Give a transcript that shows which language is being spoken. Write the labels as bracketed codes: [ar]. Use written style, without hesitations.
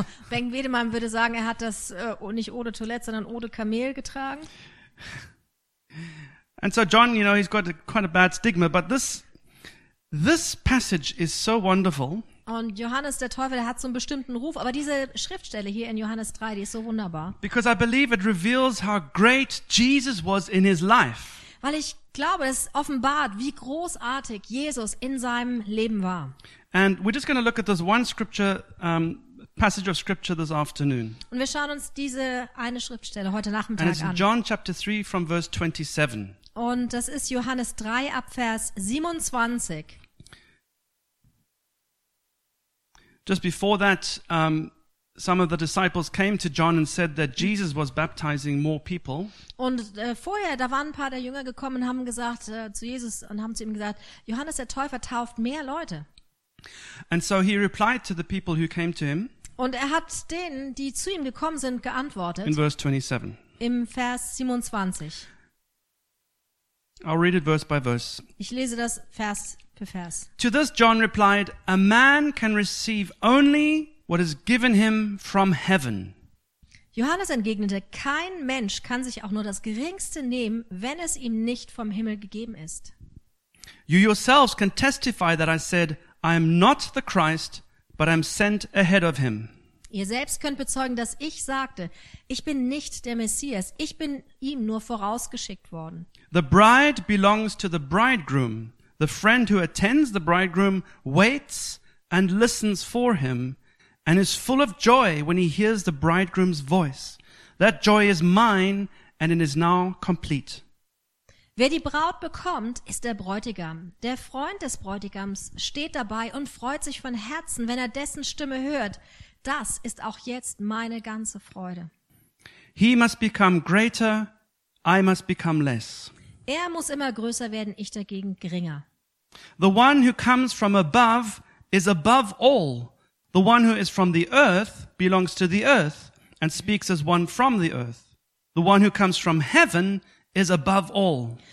[de] Bengt Wedemann würde sagen, er hat das nicht Eau de Toilette, sondern Eau de Kamel getragen. [en] And so John, you know, he's got quite a bad stigma, but this passage is so wonderful. [de] Und Johannes der Täufer, der hat so einen bestimmten Ruf, aber diese Schriftstelle hier in Johannes 3, die ist so wunderbar. [en] Because I believe it reveals how great Jesus was in his life. [de] Weil ich glaube, es offenbart, wie großartig Jesus in seinem Leben war. [en] And we're just going to look at this one scripture passage of scripture this afternoon. [de] Und wir schauen uns diese eine Schriftstelle heute Nachmittag [en] an. And it's [de] an. [en] John chapter 3 from verse 27. [de] Und das ist Johannes 3 ab Vers 27. [en] Just before that, some of the disciples came to John and said that Jesus was baptizing more people. [de] Und vorher, da waren ein paar der Jünger gekommen und haben gesagt zu Jesus und haben zu ihm gesagt, Johannes der Täufer tauft mehr Leute. [en] And so he replied to the people who came to him. [de] Und hat denen, die zu ihm gekommen sind, geantwortet. [en] In verse 27. [de] Im Vers 27. [en] I'll read it verse by verse. [de] Ich lese das Vers für Vers. [en] To this John replied, a man can receive only what is given him from heaven. [de] Johannes entgegnete, kein Mensch kann sich auch nur das Geringste nehmen, wenn es ihm nicht vom Himmel gegeben ist. [en] You yourselves can testify that I said, I am not the Christ, but I am sent ahead of him. [de] Ihr selbst könnt bezeugen, dass ich sagte, ich bin nicht der Messias, ich bin ihm nur vorausgeschickt worden. [en] The bride belongs to the bridegroom. The friend who attends the bridegroom waits and listens for him and is full of joy when he hears the bridegroom's voice. That joy is mine and it is now complete. [de] Wer die Braut bekommt, ist der Bräutigam. Der Freund des Bräutigams steht dabei und freut sich von Herzen, wenn er dessen Stimme hört. Das ist auch jetzt meine ganze Freude. [en] He must become greater, I must become less. [de] Er muss immer größer werden, ich dagegen geringer. [en] The one who comes from above is above all. The one who is from the earth belongs to the earth and speaks as one from the earth. The one who comes from heaven is above all.